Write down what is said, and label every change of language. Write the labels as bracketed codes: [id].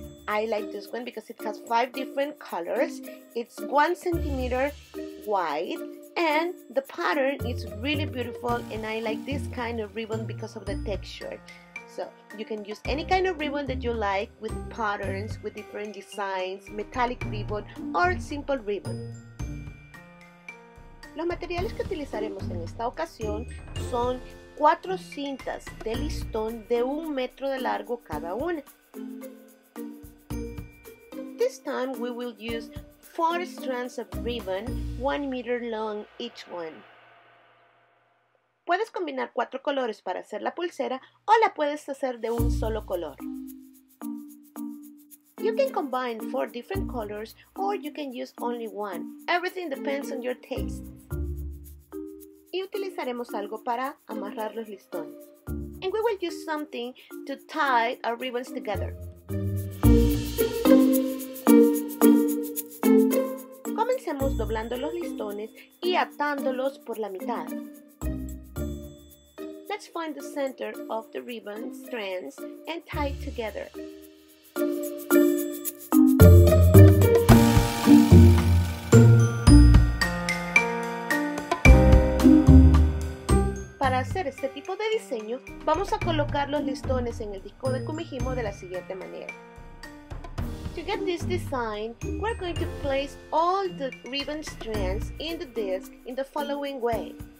[en] I like this one because it has 5 different colors. It's 1 centimeter wide and the pattern is really beautiful, and I like this kind of ribbon because of the texture. So you can use any kind of ribbon that you like, with patterns, with different designs, metallic ribbon or simple ribbon. [es] Los materiales que utilizaremos en esta ocasión son 4 cintas de listón de 1 metro de largo cada una. [en] This time we will use 4 strands of ribbon, 1 meter long each one. [es] Puedes combinar 4 colores para hacer la pulsera o la puedes hacer de un solo color. [en] You can combine 4 different colors or you can use only one. Everything depends on your taste. [es] Y utilizaremos algo para amarrar los listones. [en] And we will use something to tie our ribbons together. [es] Comencemos doblando los listones y atándolos por la mitad. [en] Let's find the center of the ribbon strands and tie it together. [es] Este tipo de diseño, vamos a colocar los listones en el disco de Kumihimo de la siguiente manera. [en] To get this design, we're going to place all the ribbon strands in the disc in the following way.